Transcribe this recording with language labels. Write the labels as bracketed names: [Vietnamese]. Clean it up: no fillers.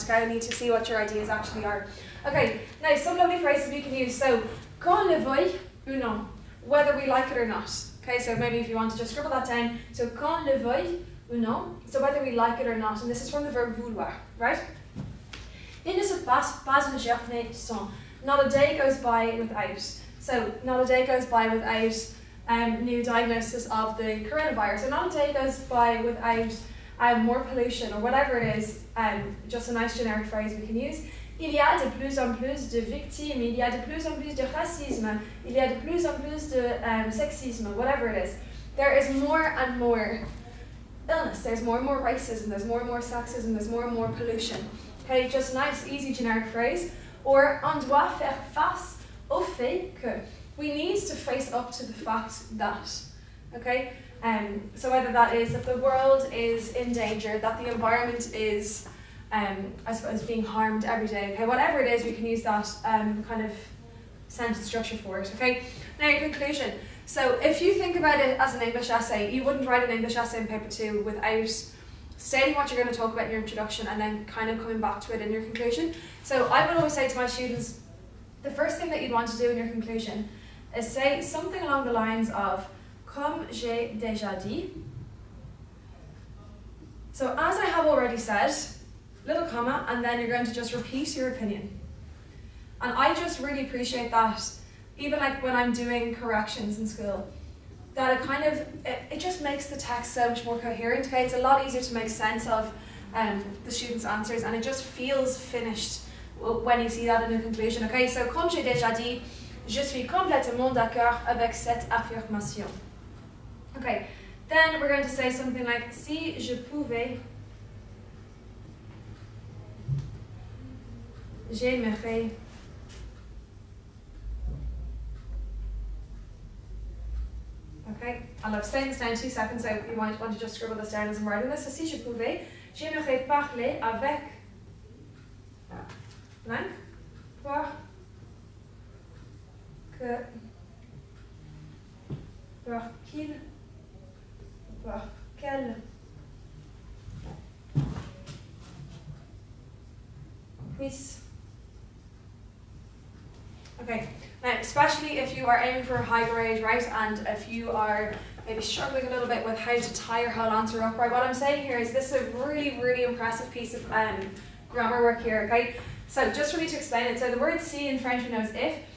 [English] Okay, I need to see what your ideas actually are. Okay, now some lovely phrases we can use. So, [French] qu'on le veuille ou non, [English] whether we like it or not. Okay, so maybe if you want to just scribble that down. So, [French] qu'on le veuille ou non, [English] so whether we like it or not. And this is from the verb vouloir, right? [French] Il ne se passe pas une journée sans. [English] Not a day goes by without. So, not a day goes by without new diagnosis of the coronavirus. So, not a day goes by without more pollution or whatever it is. Just a nice generic phrase we can use. [French] Il y a de plus en plus de victimes. Il y a de plus en plus de racisme. Il y a de plus en plus de sexisme. [English] Whatever it is. There is more and more illness. There's more and more racism. There's more and more sexism. There's more and more pollution. Okay, just a nice, easy, generic phrase. [French] Or, on doit faire face au fait que. [English] We need to face up to the fact that. Okay? So whether that is that the world is in danger, that the environment is, being harmed every day. Okay, whatever it is, we can use that kind of sentence structure for it. Okay? Now, your conclusion. So, if you think about it as an English essay, you wouldn't write an English essay in paper 2 without stating what you're going to talk about in your introduction and then kind of coming back to it in your conclusion. So I would always say to my students, the first thing that you'd want to do in your conclusion is say something along the lines of, [French] comme j'ai déjà dit. [English] So as I have already said, little comma, and then you're going to just repeat your opinion. And I just really appreciate that, even like when I'm doing corrections in school, that it kind of, it just makes the text so much more coherent. Okay, it's a lot easier to make sense of the students' answers, and it just feels finished when you see that in a conclusion. [French] Okay, so comme j'ai déjà dit, je suis complètement d'accord avec cette affirmation. [English] Okay, then we're going to say something like, [French] si je pouvais, j'aimerais. [English] OK. I'll explain this now in 2 seconds, so you might want to just scribble this down as I'm writing this. [French] So si je pouvais, j'aimerais parler avec blank, pour que, pour qu'il, pour qu'elle puisse. [English] Okay, now especially if you are aiming for a high grade, right, and if you are maybe struggling a little bit with how to tie your whole answer up, right, what I'm saying here is this is a really, really impressive piece of grammar work here, okay? So just for me to explain it, so the word si in French, we know is if.